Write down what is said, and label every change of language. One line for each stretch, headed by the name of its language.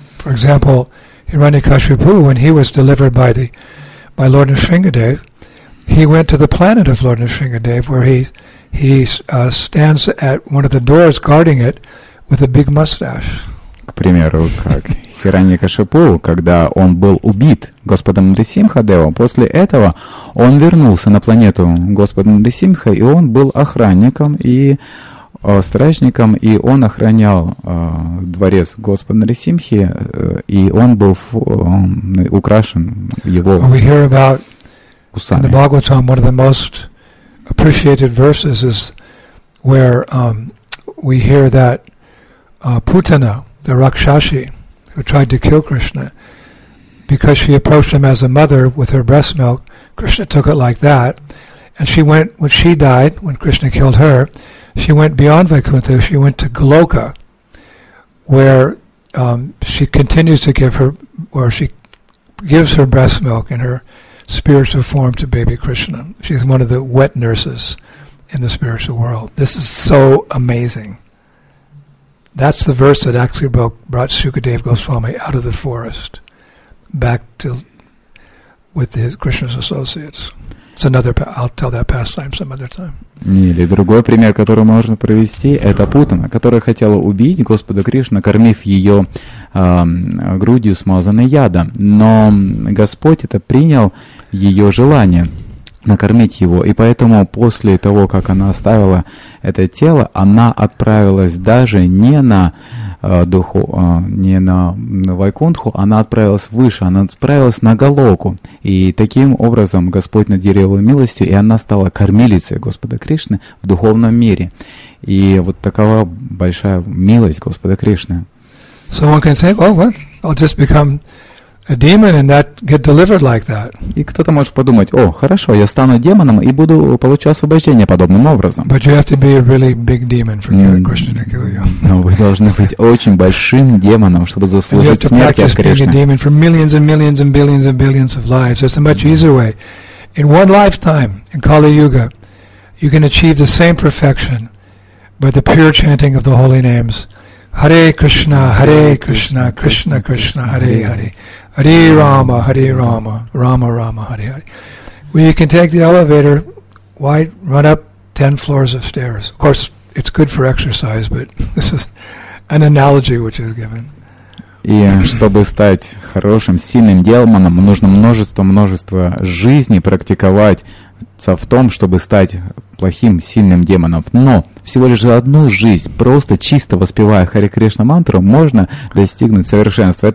English: For example, Hiranyakashipu, when he was delivered by Lord Nrisimhadev, he went to the planet of Lord Nrisimhadev, where he stands at one of the doors guarding it with a big mustache.
Russian: К примеру, как Хираньякашипу, когда он был убит Господом Нрисимхадевом, после этого он вернулся на планету Господа Нрисимха, и он был охранником и стражником, и он охранял дворец Господа Нрисимхи, и он был украшен его усами.
English: We hear about in the Bhagavatam one of the most appreciated verses is where we hear that Putana, the Rakshasi, who tried to kill Krishna, because she approached him as a mother with her breast milk, Krishna took it like that, and she went, when she died, when Krishna killed her, she went beyond Vaikuntha, she went to Goloka, where she continues to give her, or she gives her breast milk in her spiritual form to baby Krishna. She's one of the wet nurses in the spiritual world. This is so amazing. That's the verse that actually brought Sukadeva Goswami out of the forest back to with his Krishna's associates. It's another. I'll tell that pastime some other time.
Russian: Или другой пример, который можно привести, это Путана, которая хотела убить Господа Кришну, кормив ее грудью, смазанной ядом. Но Господь это принял ее желание накормить его. И поэтому после того, как она оставила это тело, она отправилась даже не на Вайкунтху, она отправилась выше, она отправилась на Голоку. И таким образом Господь наделил ее милостью, и она стала кормилицей Господа Кришны в духовном мире. И вот такова большая милость Господа Кришны.
English: So one can think, oh, what? I'll just become a demon and that get delivered like that.
Russian: И кто-то может подумать: "О, хорошо, я стану демоном и буду получать освобождение подобным образом".
English: But you have to be a really big demon for Krishna to kill you.
Russian: Но вы должны быть очень большим демоном, чтобы заслужить смерть от Кришны.
English: You have to practice being a demon for millions and millions and billions and billions of lives. There's a much easier way. In one lifetime, in Kali Yuga, you can achieve the same perfection by the pure chanting of the holy names. Hare Krishna, Hare Krishna, Krishna Krishna, Hare Hare. Hare Rama, Hare Rama, Rama Rama, Hare Hare. Well, you can take the elevator, why run up 10 floors of stairs? Of course, it's good for exercise, but this is an analogy which is given.
Russian: И чтобы стать хорошим, сильным демоном, нужно множество жизней практиковаться в том, чтобы стать плохим, сильным демоном. Но всего лишь за одну жизнь, просто чисто воспевая Харе Кришна мантру, можно достигнуть совершенства.